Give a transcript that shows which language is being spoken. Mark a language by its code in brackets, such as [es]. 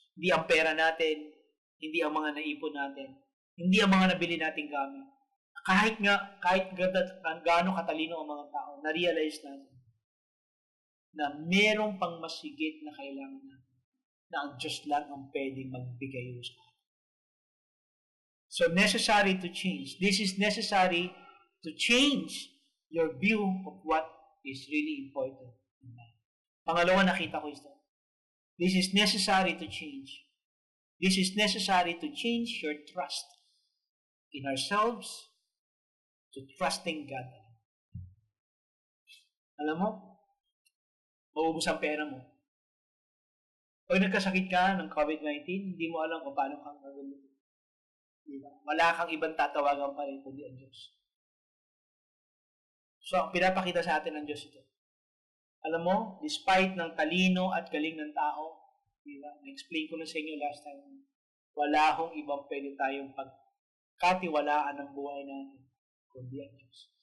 [tl] Hindi ang pera natin, hindi ang mga naipon natin, hindi ang mga nabili nating gamit. Kahit nga, kahit gano'ng katalino ang mga tao, na-realize natin na merong pang masigit na kailangan natin, na ang Diyos lang ang pwede magbigay sa atin. [en] So necessary to change. This is necessary to change your view of what is really important in life. [tl] Pangalawa, nakita ko ito. [en] This is necessary to change. This is necessary to change your trust in ourselves to trusting God. [tl] Alam mo, maubos ang pera mo. O nagkasakit ka ng COVID-19, hindi mo alam kung paano kang magaling. Wala kang ibang tatawagan pa rin kundi ang Diyos. So, pinapakita sa atin ng Diyos ito. Alam mo, despite ng talino at galing ng tao, na-explain ko na sa inyo [en] last time, [tl] wala hong ibang pwede tayong pagkatiwalaan ng buhay natin kundi ang Diyos.